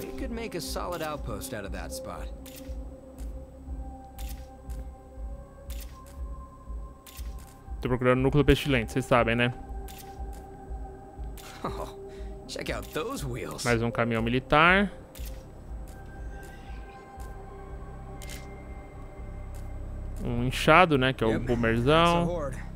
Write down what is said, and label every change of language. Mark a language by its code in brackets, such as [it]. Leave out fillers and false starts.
[en] We could make a solid outpost out of that spot. [pt] Tô procurando núcleo pestilente, vocês sabem, né? [en] Oh, check out those wheels. [pt] Mais um caminhão militar. Um inchado, né, que é o boomerzão.